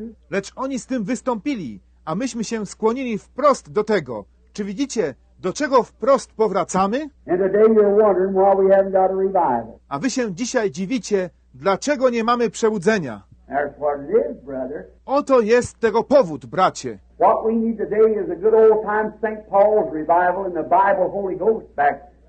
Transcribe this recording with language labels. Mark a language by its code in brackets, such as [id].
[pl] Lecz oni z tym wystąpili, a myśmy się skłonili wprost do tego. Czy widzicie, do czego wprost powracamy? [en] And today you're wondering why we haven't got a revival. [pl] A wy się dzisiaj dziwicie, dlaczego nie mamy przebudzenia. [en] That's what it is, brother. [pl] Oto jest tego powód, bracie. [en] What we need today is a good old time St. Paul's revival and the Bible Holy Ghost back.